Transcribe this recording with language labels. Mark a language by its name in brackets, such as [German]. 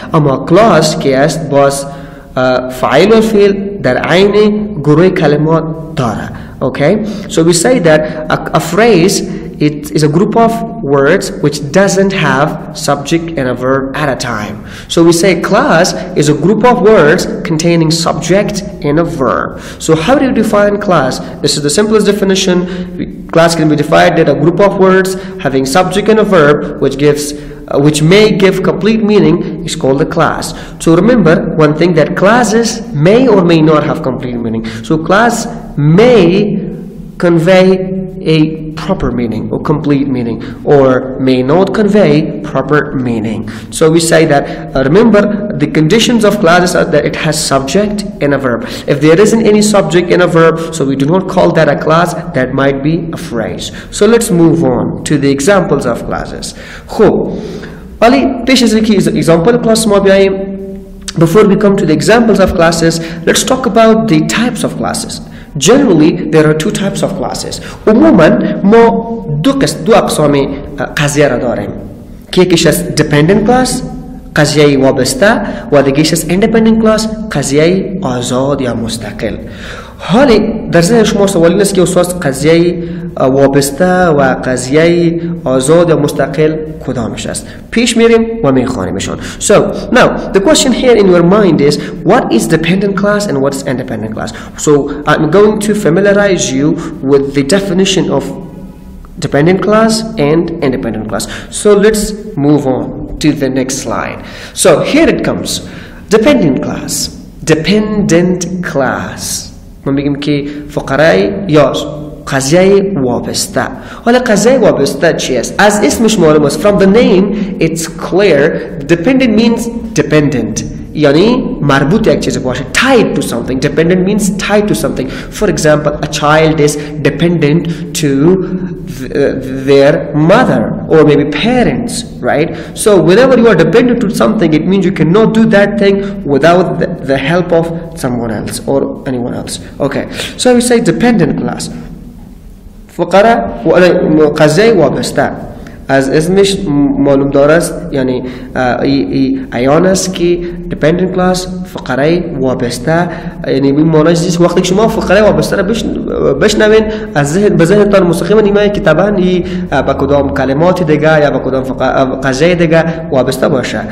[Persian] اما کلاس که است باز فاعل و فعل در عین گروه کلمات داره. [English] Okay? So we say that a phrase it is a group of words which doesn't have subject and a verb at a time. So we say class is a group of words containing subject and a verb. So how do you define class? This is the simplest definition. Class can be defined as a group of words having subject and a verb which may give complete meaning is called a class. So remember one thing, that classes may or may not have complete meaning. So class may convey a proper meaning or complete meaning or may not convey proper meaning. So we say that remember the conditions of classes are that it has subject and a verb. If there isn't any subject and a verb, so we do not call that a class, that might be a phrase. So let's move on to the examples of classes. Ali, this is the example class. Before we come to the examples of classes, let's talk about the types of classes. Generally, there are two types of classes. [Persian] عموماً ما دو اقسام قضیه را داریم. یکیش از [English] dependent class، [Persian] قضیه وابسته، و دیگریش از [English] independent class، [Persian] قضیه آزاد یا مستقل. حالا در ذهن شما سوال این است که اساس قضیه وابسته و قضیه آزاد یا مستقل کدامش است؟ پیش میریم و میخوانیمشون. [English] So now the question here in your mind is what is dependent class and what is independent class. So I'm going to familiarize you with the definition of dependent class and independent class. So let's move on to the next slide. So here it comes. Dependent class. Dependent class. [Persian] ما میگیم که فقره یا قضیه وابسته. حالا قضیه وابسته چی است؟ از اسمش معلوم است. [English] From the name, it's clear. Dependent means dependent. [Persian] یعنی مربوط یک چیز باشه. [English] Tied to something. Dependent means tied to something. For example, a child is dependent to their mother or maybe parents, right? So whenever you are dependent to something, it means you cannot do that thing without the help of someone else or anyone else. Okay, so we say dependent class. [Persian] فقره و قضیه وابسته از اسمش معلوم دارست، یعنی ایان است که [English] dependent class [Persian] فقره وابسته، یعنی این معنیش دیست وقتی شما فقره وابسته را بشنوین از ذهنتان مستقیما نیمه که طبعا این به کدام کلمات دیگه یا به کدام قضیه دیگه وابسته باشه.